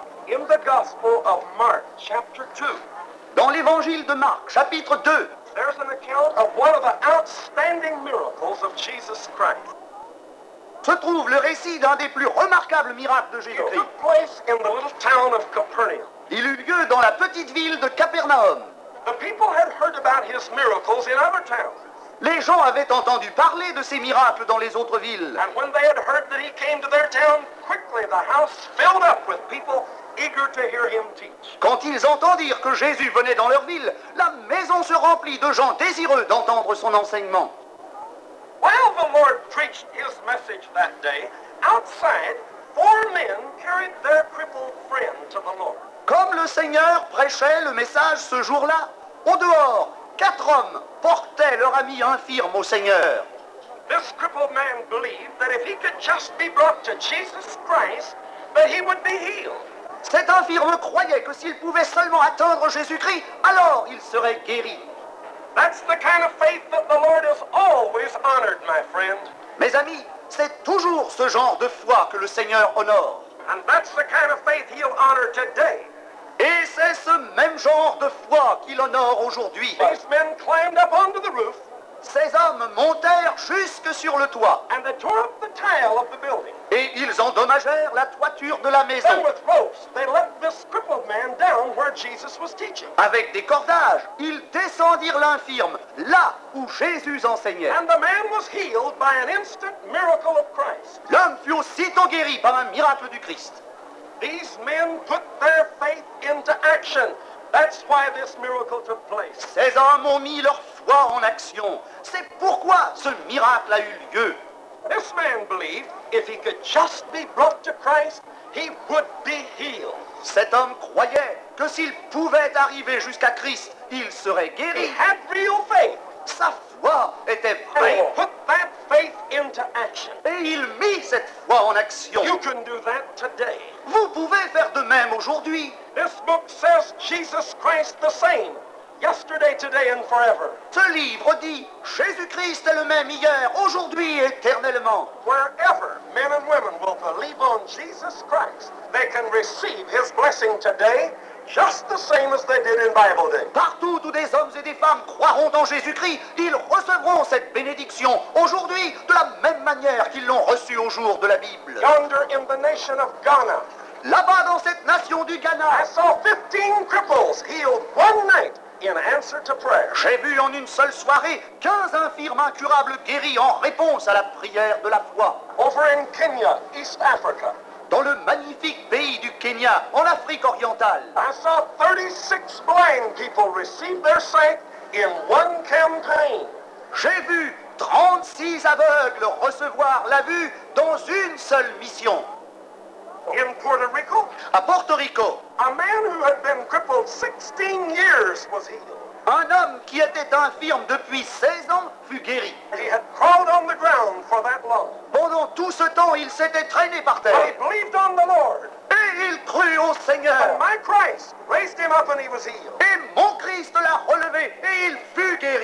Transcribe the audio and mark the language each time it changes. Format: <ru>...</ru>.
<en>In the Gospel of Mark, chapter 2.</en> <fr>Dans l'Évangile de Marc, chapitre 2.</fr> <en>There's an account of one of the outstanding miracles of Jesus Christ.</en> <fr>Se trouve le récit d'un des plus remarquables miracles de Jésus-Christ.</fr> <en>It took place in the little town of Capernaum.</en> <fr>Il eut lieu dans la petite ville de Capernaum.</fr> <en>The people had heard about his miracles in other towns.</en> <fr>Les gens avaient entendu parler de ses miracles dans les autres villes.</fr> <en>And when they had heard that he came to their town, quickly the house filled up with people eager to hear him teach.</en> <fr>Quand ils entendirent que Jésus venait dans leur ville, la maison se remplit de gens désireux d'entendre son enseignement.</fr> <en>While the Lord preached his message that day, outside, four men carried their crippled friend to the Lord.</en> <fr>Comme le Seigneur prêchait le message ce jour-là, au dehors, quatre hommes portaient leur ami infirme au Seigneur.</fr> <en>This crippled man believed that if he could just be brought to Jesus Christ, that he would be healed.</en> <fr>Cet infirme croyait que s'il pouvait seulement atteindre Jésus-Christ, alors il serait guéri.</fr> <en>That's the kind of faith that the Lord has always honored, my friend.</en> <fr>Mes amis, c'est toujours ce genre de foi que le Seigneur honore.</fr> <en>And that's the kind of faith he'll honor today.</en> <fr>Et c'est ce même genre de foi qu'il honore aujourd'hui.</fr> <en>These men climbed up onto the roof.</en> <fr>Ces hommes montèrent jusque sur le toit.</fr> <en>And they tore up the tile of the building.</en> <fr>Et ils endommagèrent la toiture de la maison.</fr> <en>Then with ropes, they let this crippled man down where Jesus was teaching.</en> <fr>Avec des cordages, ils descendirent l'infirme, là où Jésus enseignait.</fr> <en>And the man was healed by an instant miracle of Christ.</en> <fr>L'homme fut aussitôt guéri par un miracle du Christ.</fr> <en>These men put their faith into action. That's why this miracle took place.</en> <fr>Ces hommes ont mis leur foi en action. C'est pourquoi ce miracle a eu lieu.</fr> <en>This man believed if he could just be brought to Christ, he would be healed.</en> <fr>Cet homme croyait que s'il pouvait arriver jusqu'à Christ, il serait guéri.</fr> <en>He had real faith.</en> <fr>Sa foi était vraie.</fr> <en>And he put that faith into action.</en> <fr>Et il mit cette foi en action.</fr> <en>You can do that today.</en> <fr>Vous pouvez faire de même aujourd'hui.</fr> <en>This book says Jesus Christ the same, yesterday, today, and forever.</en> <fr>Ce livre dit Jésus-Christ est le même hier, aujourd'hui, éternellement.</fr> <en>Wherever men and women will believe on Jesus Christ, they can receive his blessing today, just the same as they did in Bible day.</en> <fr>Partout où des hommes et des femmes croiront en Jésus-Christ, ils recevront cette bénédiction aujourd'hui de la même manière qu'ils l'ont reçue au jour de la Bible.</fr> <en>Yonder in the nation of Ghana,</en> <fr>là-bas dans cette nation du Ghana,</fr> <en>I saw 15 cripples healed one night in answer to prayer.</en> <fr>J'ai vu en une seule soirée 15 infirmes incurables guéris en réponse à la prière de la foi.</fr> <en>Over in Kenya, East Africa,</en> <fr>dans le magnifique pays du Kenya, en Afrique orientale,</fr> <en>I saw 36 blind people receive their sight in one campaign.</en> <fr>J'ai vu 36 aveugles recevoir la vue dans une seule mission.</fr> <en>In Puerto Rico,</en> <fr>à Porto Rico,</fr> <en>a man who had been crippled 16 years was healed.</en> <fr>Un homme qui était infirme depuis 16 ans fut guéri.</fr> <en>He had crawled on the ground for that long.</en> <fr>Pendant tout ce temps, il s'était traîné par terre.</fr> <en>But he believed on the Lord.</en> <fr>Et il crut au Seigneur.</fr> <en>And my Christ raised him up and he was healed.</en> <fr>Et mon Christ l'a relevé et il fut guéri.</fr>